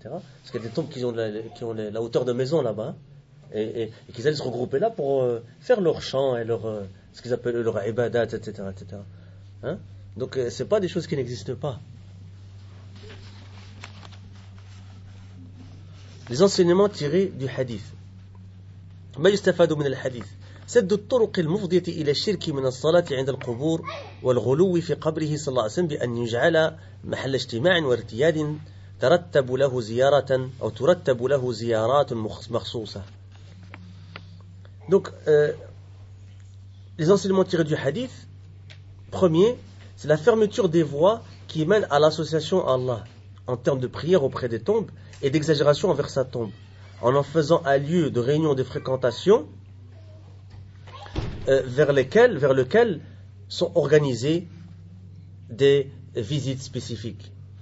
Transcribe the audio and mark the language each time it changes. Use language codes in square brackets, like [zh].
[fr] Parce qu'il y a des tombes qui ont la hauteur de maison là-bas, et qu'ils allaient se regrouper là pour faire leur chant et leur, ce qu'ils appellent leur ibadat, etc. etc. Hein? Donc ce n'est pas des choses qui n'existent pas. Les enseignements tirés du hadith. [ar] ما يستفاد من الحديث سد الطرق المفضية إلى الشرك من الصلاة عند القبور والغلو في قبره صلى الله عليه وسلم بأن يجعل محل اجتماع وارتياد ترتب له زيارة أو ترتب له زيارات مخصوصة. [fr] Donc les enseignements tirés du hadith, premier, c'est la fermeture des voies qui mènent à l'association à Allah en termes de prière auprès des tombes et d'exagération envers sa tombe, en faisant un lieu de réunion de fréquentation vers lequel sont organisées des visites spécifiques.